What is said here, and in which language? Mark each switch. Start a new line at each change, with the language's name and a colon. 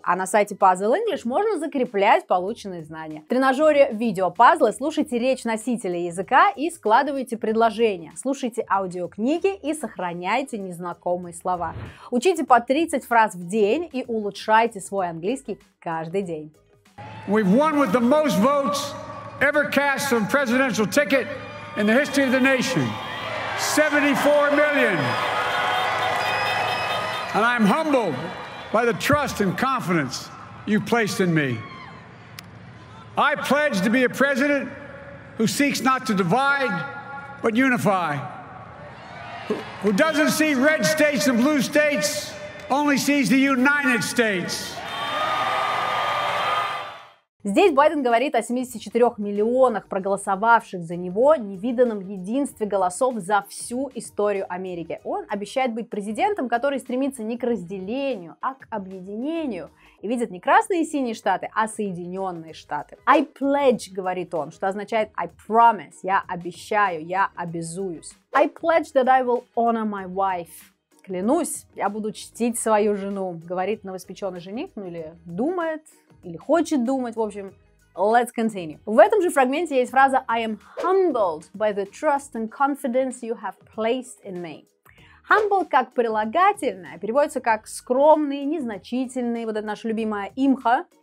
Russian: А на сайте Puzzle English можно закреплять полученные знания. В тренажере видео-пазлы слушайте речь носителя языка и складывайте предложения. Слушайте аудиокниги и сохраняйте незнакомые слова. Учите по 30 фраз в день и улучшайте свой английский каждый день.
English: We've won with the most votes ever cast on presidential ticket in the history of the nation. 74 million. And I'm humbled by the trust and confidence you placed in me. I pledge to be a president who seeks not to divide, but unify. Who doesn't see red states and blue states, only sees the United States.
Russian: Здесь Байден говорит о 74 миллионах проголосовавших за него, невиданном единстве голосов за всю историю Америки. Он обещает быть президентом, который стремится не к разделению, а к объединению. И видит не красные и синие штаты, а Соединенные Штаты.
English: I pledge,
Russian: говорит он, что означает
English: I promise,
Russian: я обещаю, я обязуюсь.
English: I pledge that I will honor my wife.
Russian: Клянусь, я буду чтить свою жену, говорит новоспеченный жених, ну или думает. Или хочет думать, в общем,
English: let's continue.
Russian: В этом же фрагменте есть фраза
English: I am humbled by the trust and confidence you have placed in me. Humbled
Russian: как прилагательное переводится как скромный, незначительный, вот это наша любимая имха.